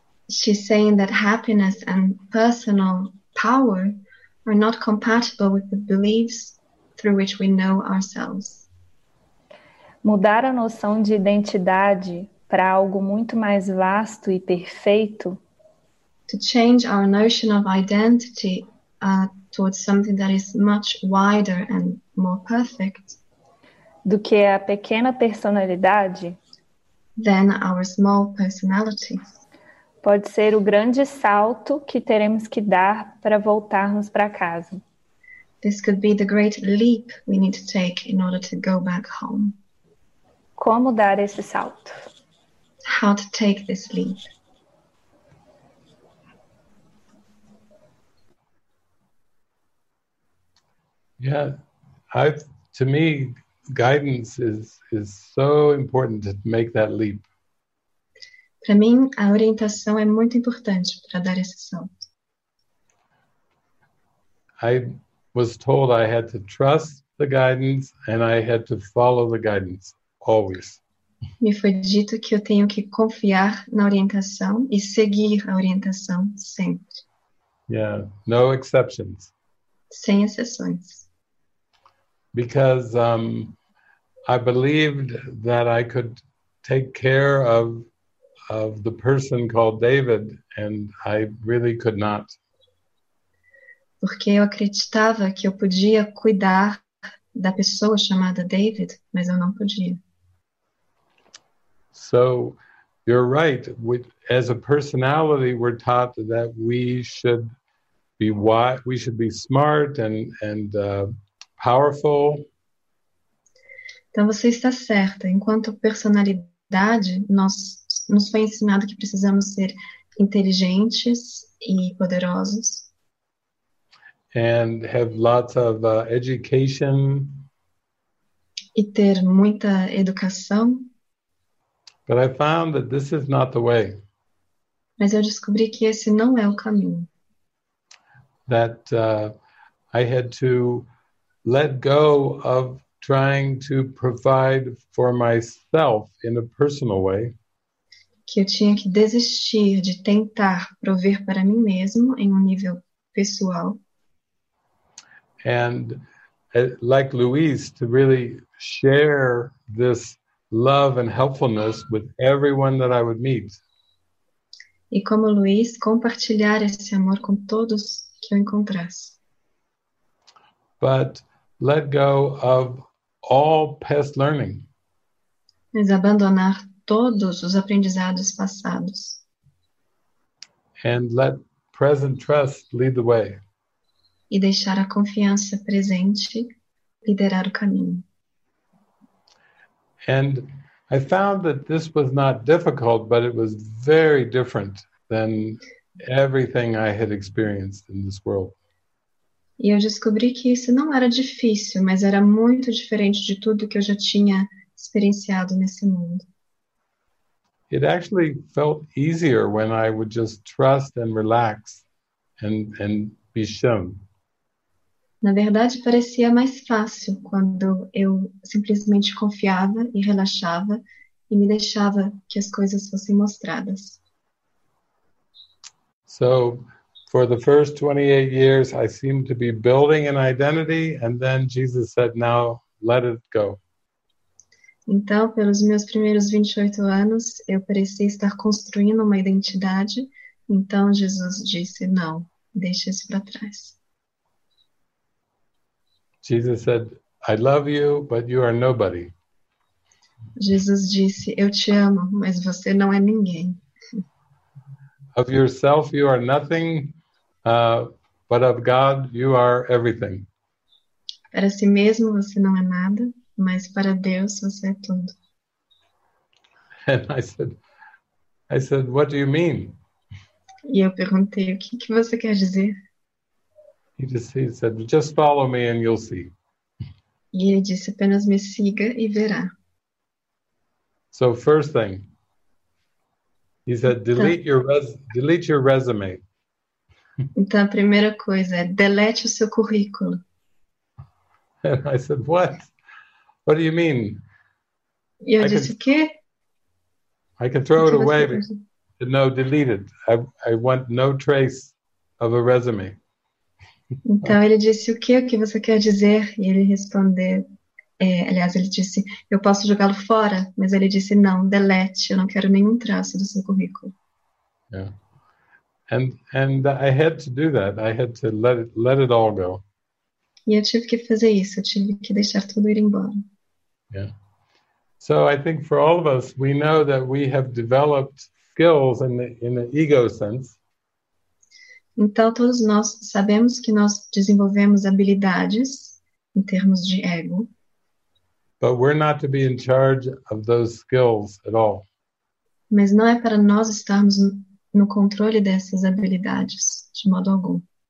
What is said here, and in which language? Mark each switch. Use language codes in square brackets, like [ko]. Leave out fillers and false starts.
[en] She's saying that happiness and personal power are not compatible with the beliefs through which we know ourselves. [pt] Mudar a noção de identidade para algo muito mais vasto e perfeito. [en] To change our notion of identity towards something that is much wider and more perfect [pt] do que a pequena personalidade, [en] than our small personality, [pt] pode ser o grande salto que teremos que dar para voltarmos para casa. [en] This could be the great leap we need to take in order to go back home. [pt] Como dar esse salto? [en] How to take this leap? Yeah, to me, guidance is so important to make that leap. [pt] Para mim, a orientação é muito importante para dar esse salto. [en] I was told I had to trust the guidance and I had to follow the guidance always. [pt] Me foi dito que eu tenho que confiar na orientação e seguir a orientação sempre. [en] Yeah, no exceptions. [pt] Sem exceções. [en] Because I believed that I could take care of the person called David, and I really could not. [pt] Porque eu acreditava que eu podia cuidar da pessoa chamada David, mas eu não podia. [en] So you're right. As a personality, we're taught that we should be smart and powerful. [pt] Então você está certa. Enquanto personalidade, nos foi ensinado que precisamos ser inteligentes e poderosos. [en] And have lots of education. [pt] E ter muita educação. [en] But I found that this is not the way. [pt] Mas eu descobri que esse não é o caminho. [en] That I had to let go of trying to provide for myself in a personal way. [pt] Que eu tinha que desistir de tentar prover para mim mesmo em um nível pessoal. [en] And like Luis, to really share this love and helpfulness with everyone that I would meet. [pt] E como Luiz, compartilhar esse amor com todos que eu encontrasse. [en] But let go of all past learning. [pt] Mas abandonar todos os aprendizados passados. [en] And let present trust lead the way. [pt] E deixar a confiança presente liderar o caminho. [en] And I found that this was not difficult, but it was very different than everything I had experienced in this world. [pt] E eu descobri que isso não era difícil, mas era muito diferente de tudo que eu já tinha experienciado nesse mundo. [en] It actually felt easier when I would just trust and relax and be shown. [pt] Na verdade, parecia mais fácil quando eu simplesmente confiava e relaxava e me deixava que as coisas fossem mostradas. [en] So, for the first 28 years, I seemed to be building an identity, and then Jesus said, "Now let it go." [pt] Então, pelos meus primeiros 28 anos, eu parecia estar construindo uma identidade. Então, Jesus disse: "Não, deixa isso para trás." [en] Jesus said, "I love you, but you are nobody." [pt] Jesus disse: "Eu te amo, mas você não é ninguém." [en] Of yourself, you are nothing, but of God, you are everything. [pt] Para si mesmo, você não é nada, mas para Deus, você é tudo. [en] And I said, "What do you mean?" [pt] E eu perguntei: "O que que você quer dizer?" [en] He said, "Just follow me and you'll see." [pt] E ele disse: "Apenas me siga e verá." [en] So, first thing. He said, delete your resume. [pt] Então, a primeira coisa é delete o seu currículo. [en] And I said, "What? What do you mean?" [pt] E eu disse, o quê? [en] I can throw o it away. But, no, delete it. I want no trace of a resume. [pt] Então, ele disse, o quê? O que você quer dizer? E ele respondeu, aliás, ele disse, eu posso jogá-lo fora, mas ele disse, não, delete, eu não quero nenhum traço do seu currículo. [en] Yeah. And I had to do that. I had to let it all go. [pt] E eu tive que fazer isso, eu tive que deixar tudo ir embora. [en] Yeah. So I think for all of us, we know that we have developed skills in the ego sense. [pt] Então, todos nós sabemos que nós desenvolvemos habilidades em termos de ego. [en] But we're not to be in charge of those skills at all. [pt] Mas não é para nós estarmos no controle dessas habilidades, de modo algum.